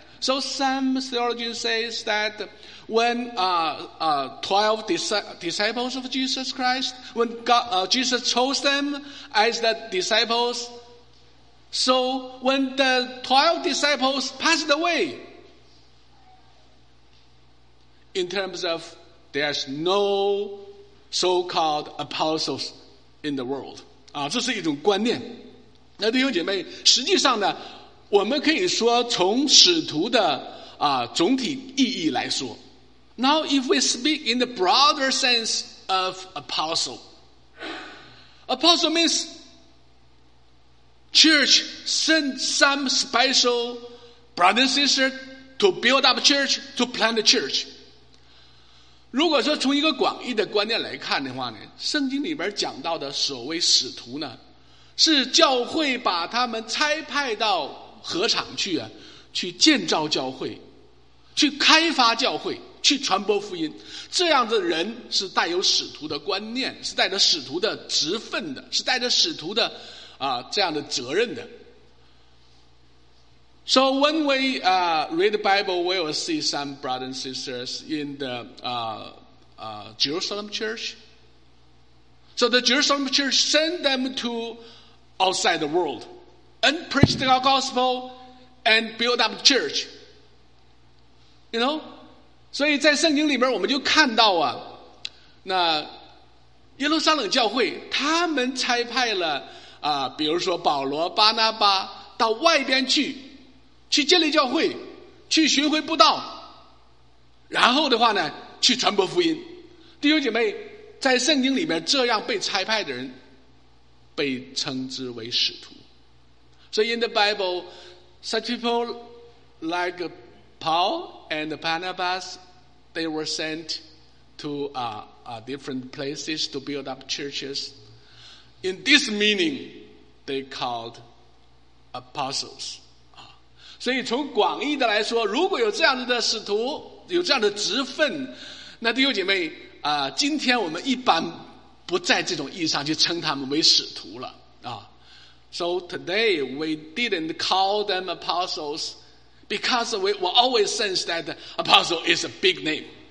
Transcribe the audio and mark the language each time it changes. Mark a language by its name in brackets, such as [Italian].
[English] So some theologians say that when 12 disciples of Jesus Christ, when God, Jesus chose them as the disciples, so when the 12 disciples passed away, in terms of there's no so-called apostles in the world. [Chinese] 这是一种观念。那弟兄姐妹，实际上呢，我们可以说从使徒的总体意义来说。 [English] Now if we speak in the broader sense of apostle, apostle means church send some special brother and sister to build up church, to plant the church. [Chinese] 如果说从一个广义的观念来看的话呢，圣经里边讲到的所谓使徒呢，是教会把他们差派到何场去啊，去建造教会，去开发教会，去传播福音。这样的人是带有使徒的观念，是带着使徒的职分的，是带着使徒的这样的责任的。 [English] So when we read the Bible, we will see some brothers and sisters in the Jerusalem church. So the Jerusalem church send them to outside the world. And preach the gospel and build up church. You know? [Chinese] 所以在圣经里面我们就看到啊，那耶路撒冷教会他们差派了比如说保罗、巴拿巴到外边去建立教会，去巡回布道，然后的话呢去传播福音。弟兄姐妹，在圣经里面这样被差派的人被称之为使徒。 [English] So in the Bible, such people like Paul and Barnabas, they were sent to different places to build up churches. In this meaning, they called apostles. [Chinese] 所以从广义的来说, 如果有这样的使徒, 有这样的职分, 那弟兄姐妹, 今天我们一般不在这种意义上去称他们为使徒了。 [English] So today, we didn't call them apostles because we always sense that apostle is a big name.